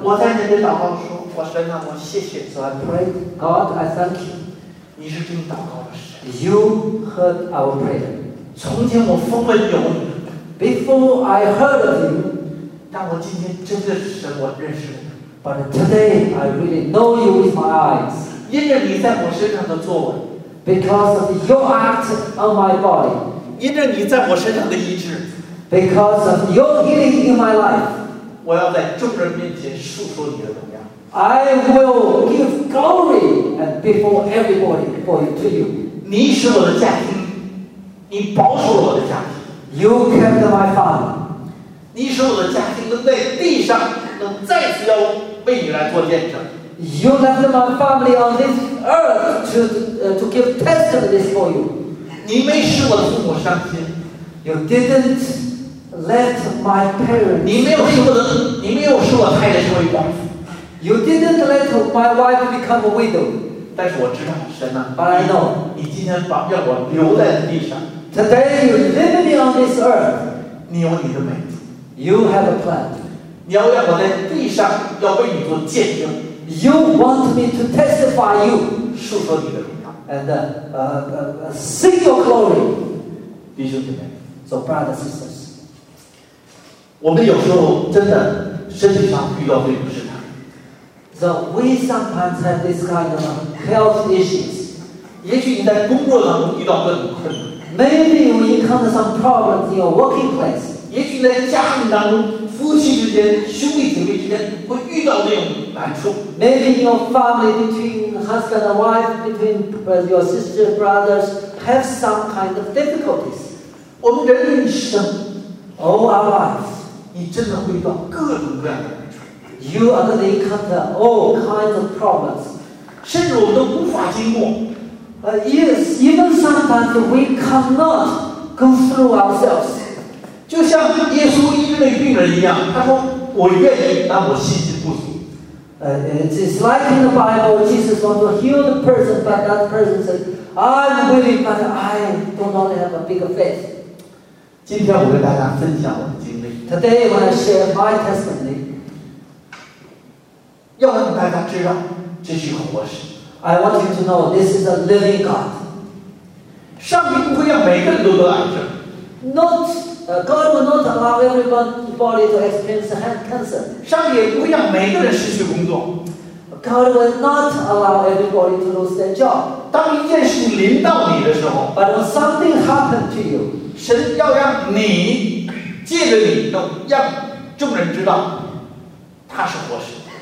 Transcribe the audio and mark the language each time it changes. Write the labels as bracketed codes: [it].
[zh] 我在那里祷告说我身上我谢谢。 [en] So I prayed, God, I thank you. [zh] 你是听祷告的神。 [en] You heard our prayer. [zh] 从前我风闻有你。 [en] Before I heard of you， [zh] 但我今天真的是我认识你。 [en] But today I really know you with my eyes。 [zh] 因着你在我身上的作为。 [en] Because of your act on my body。 [zh] 因着你在我身上的医治。 [en] Because of your healing in my life。 [zh] 我要在众人面前述说你的荣耀。 [en] I will give glory and before everybody for you to you。 [zh] 你是我的家庭，你保守了我的家庭。 [en] You kept my father。 [zh] 你使我的家庭能在地上能再次要为你来做见证。 [en] You left my family on this earth to give testimony for you。 [zh] 你没使我的父母伤心。 [en] You didn't let my parents。 [zh] 你没有使我太太成为寡妇。 [en] You didn't let my wife become a widow。 [zh] 但是我知道神啊。 [en] But I know。 [zh] 你今天把让我留在地上。 [en] Today you leave me on this earth。 [zh] 你有你的美。 [en] You have a plan。 [zh] 你要让我在地上要为你做见证。 [en] You want me to testify you。 [zh] 述说你的荣耀。 [en] And sing your glory。 [zh] 弟兄姐妹。 [en] So brothers and sisters。 [zh] 我们有时候真的身体上遇到这种试探。 [en] So we sometimes have this kind of health issues。 [zh] 也许你在工作当中遇到各种困难。 [en] Maybe you encounter some problems in your working place。 [zh] 也许在家庭当中，夫妻之间、兄弟姐妹之间会遇到那种难处。 [en] Maybe in your family, between husband and wife, between your sisters, brothers, have some kind of difficulties。 [zh] 我们人一生 [en] ，all our lives， [zh] 你真的会遇到各种各样的难处。 [en] You are going to encounter all kinds of problems， [zh] 甚至我们都无法经过。 [en] Yes, even sometimes we cannot go through ourselves。 [zh] 就像耶稣医治那病人一样，他说：“我愿意，但我信心不足。” [en] It's like in the Bible, Jesus wants to heal the person, but that person said, "I'm willing, but I do not have a bigger faith." [zh] 今天我跟大家分享我的经历。 [en] Today, when I share my testimony, [zh] 要让大家知道这是一个活神。 [en] I want you to know this is a living God. [zh] 上帝不会让每个人都得癌症。 [en] God will not allow everyone's body to experience cancer. [zh] 上帝也不会让每个人失去工作。 [en] God will not allow everybody to lose their job. [zh] 当一件事临到你的时候 [en] ，But when something happened to you, [zh] 神要让你借着你，要让众人知道他是活神。